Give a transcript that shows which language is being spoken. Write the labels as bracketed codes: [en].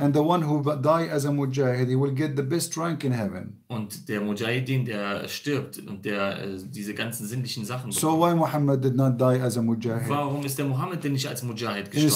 [en] And the one who die as a mujahid, he will get the best rank in heaven. [de] Und der Mujahidin, der stirbt und der diese ganzen sinnlichen Sachen. [en] So why Muhammad did not die as a mujahid? [de] Warum ist der Muhammad denn nicht als Mujahid gestorben?